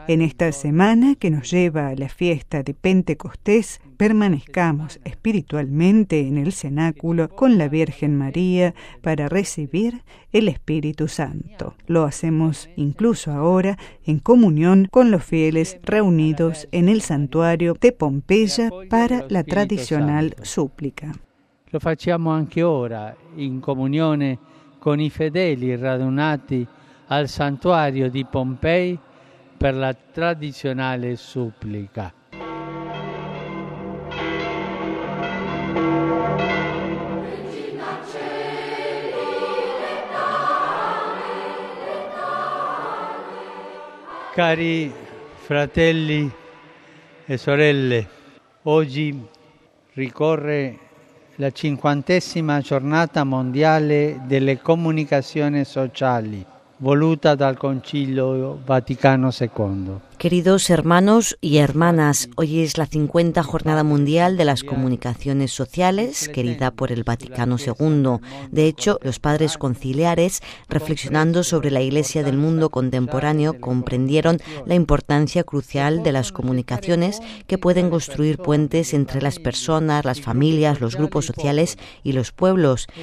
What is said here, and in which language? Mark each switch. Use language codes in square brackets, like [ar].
[es] En esta semana que nos lleva a la fiesta de Pentecostés, permanezcamos espiritualmente en el cenáculo con la Virgen María para recibir el Espíritu Santo. Lo hacemos incluso ahora en comunión con los fieles reunidos en el santuario de Pompeya para la tradicional súplica. [it] Lo facciamo anche ora in comunione con i fedeli radunati al santuario di Pompei per la tradizionale supplica. Cari fratelli e sorelle, oggi ricorre la 50ª giornata mondiale delle comunicazioni sociali, voluta dal Concilio Vaticano II. [es] Queridos hermanos y hermanas, hoy es la 50 Jornada Mundial de las Comunicaciones Sociales, querida por el Vaticano II. De hecho, los padres conciliares, reflexionando sobre la Iglesia del mundo contemporáneo, comprendieron la importancia crucial de las comunicaciones que pueden construir puentes entre las personas, las familias, los grupos sociales y los pueblos.